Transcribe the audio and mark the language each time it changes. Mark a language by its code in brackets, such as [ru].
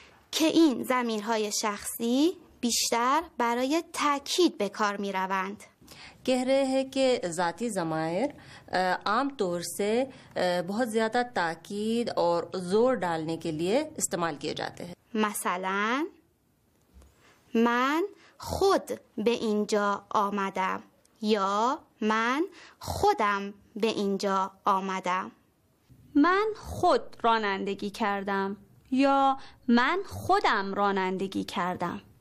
[fa] که این ضمیرهای شخصی بیشتر برای تاکید به کار می روند. [ur] کہہ رہے ہیں کہ ذاتی ضمائر عام طور سے بہت زیادہ تاکید اور زور ڈالنے کے لیے استعمال کیے جاتے ہیں. [fa] مثلا من خود به اینجا آمدم یا من خودم به اینجا آمدم. من خود رانندگی کردم یا من خودم رانندگی کردم.